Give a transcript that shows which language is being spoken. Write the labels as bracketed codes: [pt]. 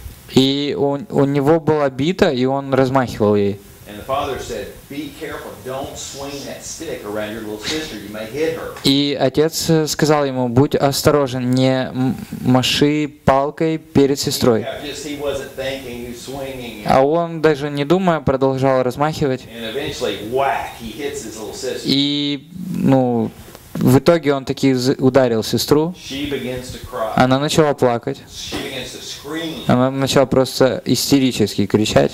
[ru] И у него была бита, и он размахивал ей. [en] And the father said, "Be careful, don't swing that stick around your little sister. You may hit her." [ru] И отец сказал ему: "Будь осторожен, не маши палкой перед сестрой." [en] He wasn't thinking, he was swinging. [ru] А он даже не думая продолжал размахивать. [en] And eventually, whack, he hits his little sister. [ru] И, ну, в итоге он таки ударил сестру. [en] She begins to cry. [ru] Она начала плакать. [en] She begins to scream. [ru] Она начала просто истерически кричать.